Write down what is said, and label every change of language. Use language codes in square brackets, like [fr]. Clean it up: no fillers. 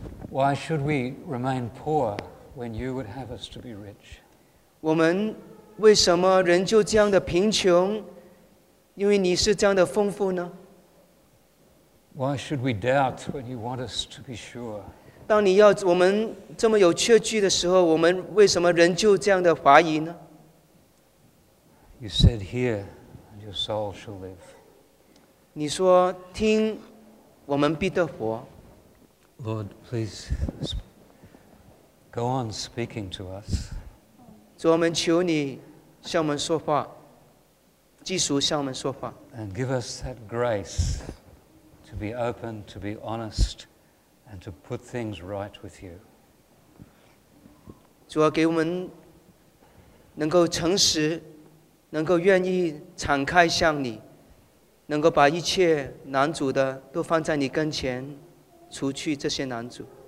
[en] Why should we remain poor when you would have us to be rich? [zh] 我们为什么仍旧这样的贫穷？因为你是这样的丰富呢？ [en] Why should we doubt when you want us to be sure? [zh] 当你要我们这么有确据的时候，我们为什么仍旧这样的怀疑呢？ [en] You said here, and your soul shall live. [zh] 你说听，我们必得活。 [en] Lord, please go on speaking to us. [zh] 主，我们求你向我们说话，继续向我们说话。 [en] And give us that grace to be open, to be honest, and to put things right with you. [zh] 主要给我们能够诚实，能够愿意敞开向你，能够把一切难阻的都放在你跟前，除去这些难阻。